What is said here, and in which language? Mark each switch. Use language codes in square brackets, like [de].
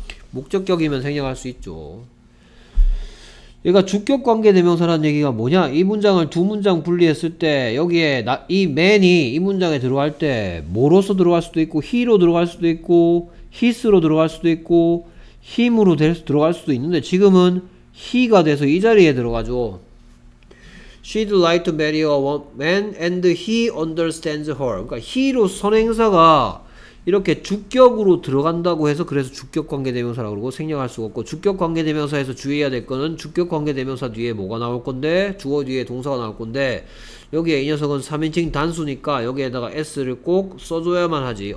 [ko] 목적격이면 생략할 수 있죠. 얘가 주격 관계대명사라는 얘기가 뭐냐? 이 문장을 두 문장 분리했을 때 여기에 나, 이 man이 이 문장에 들어갈 때 뭐로서 들어갈 수도 있고 he로 들어갈 수도 있고 his로 들어갈 수도 있고 him으로 들어갈 수도 있는데 지금은 he가 돼서 이 자리에 들어가죠. [en] She'd like to marry a man and he understands her. [ko] 그러니까 he로 선행사가 이렇게 주격으로 들어간다고 해서 그래서 주격 관계대명사라고 그러고 생략할 수가 없고 주격 관계대명사에서 주의해야 될 거는 주격 관계대명사 뒤에 뭐가 나올 건데 주어 뒤에 동사가 나올 건데 여기에 이 녀석은 3인칭 단수니까 여기에다가 s를 꼭 써줘야만 하지.